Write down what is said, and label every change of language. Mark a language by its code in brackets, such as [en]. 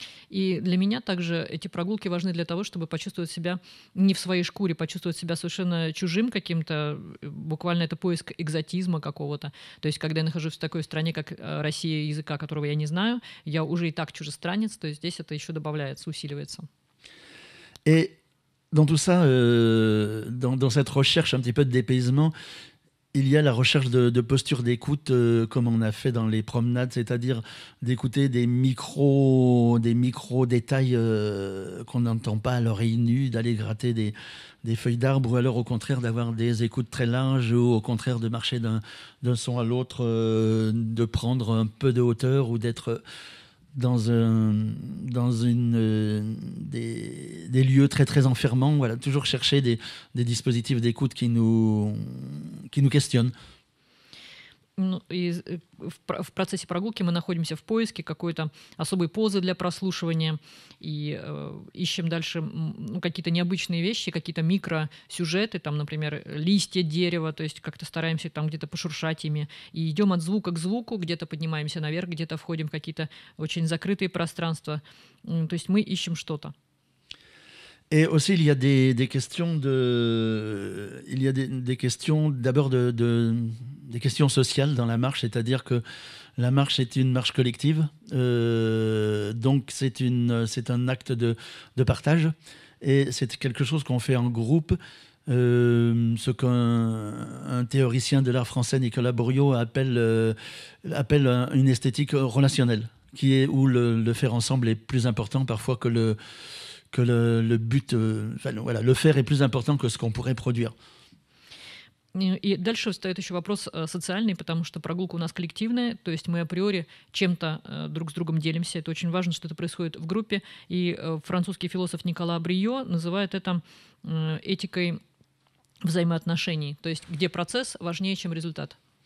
[ru] И для меня также эти прогулки важны для того, чтобы почувствовать себя не в своей шкуре, почувствовать себя совершенно чужим каким-то, буквально это поиск экзотизма какого-то. То есть когда я нахожусь в такой стране, как Россия, языка которого я не знаю, я уже и так чужестранец, то есть здесь это еще добавляется, усиливается. [fr] Et dans tout ça, dans cette recherche un petit peu de dépaysement, il y a la recherche de posture d'écoute, comme on a fait dans les promenades, c'est-à-dire d'écouter des micro-détails qu'on n'entend pas à l'oreille nue, d'aller gratter des feuilles d'arbres, ou alors au contraire d'avoir des écoutes très larges, ou au contraire de marcher d'un son à l'autre, de prendre un peu de hauteur, ou d'être dans des lieux très très enfermants, voilà, toujours chercher des dispositifs d'écoute qui nous questionnent. Ну, и в процессе прогулки мы находимся в поиске какой-то особой позы для прослушивания и ищем дальше какие-то необычные вещи, какие-то микросюжеты, там, например, листья дерева, то есть как-то стараемся там где-то пошуршать ими и идем от звука к звуку, где-то поднимаемся наверх, где-то входим в какие-то очень закрытые пространства, то есть мы ищем что-то. Et aussi, il y a des questions sociales dans la marche, c'est-à-dire que la marche est une marche collective, donc c'est un acte de partage, et c'est quelque chose qu'on fait en groupe, ce qu'un théoricien de l'art français, Nicolas Bourriaud, appelle une esthétique relationnelle, qui est où le faire ensemble est plus important parfois que le but. Enfin, voilà, le faire est plus important que ce qu'on pourrait produire. [ru] И дальше встает еще вопрос социальный, потому что прогулка у нас коллективная, то есть мы априори чем-то друг с другом делимся. Это очень важно, что это происходит в группе. И французский философ Никола Брио называет это этикой взаимоотношений, то есть где процесс важнее, чем результат.